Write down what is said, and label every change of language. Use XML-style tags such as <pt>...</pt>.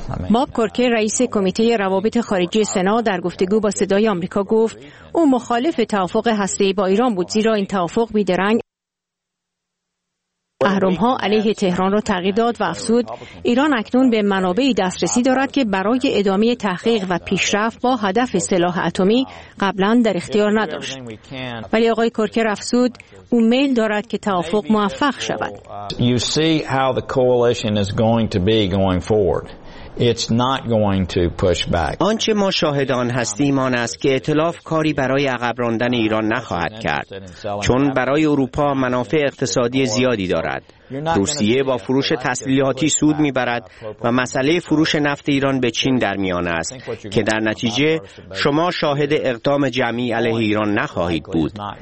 <fa>باب کورکر رئیس کمیته روابط خارجی سنا در گفتگو با صدای آمریکا گفت او مخالف توافق هسته‌ای با ایران بود، زیرا این توافق بیدرنگ اهرم‌ها علیه تهران را تغییر داد و افزود ایران اکنون به منابعی دسترسی دارد که برای ادامه تحقیق و پیشرفت با هدف سلاح اتمی قبلا در اختیار نداشت. ولی آقای کورکر افزود او میل دارد که توافق موفق شود.</fa> <en>You see how the coalition is going to be going forward. It's not going to push back.</en> <fa>آنچه ما شاهدان هستیم آن است که ائتلاف کاری برای عقب راندن ایران نخواهد کرد، چون برای اروپا منافع اقتصادی زیادی دارد. روسیه با فروش تسلیحاتی سود می‌برد و مسئله فروش نفت ایران به چین در میان است که در نتیجه شما شاهد اقدام جمعی علیه ایران نخواهید بود.</fa>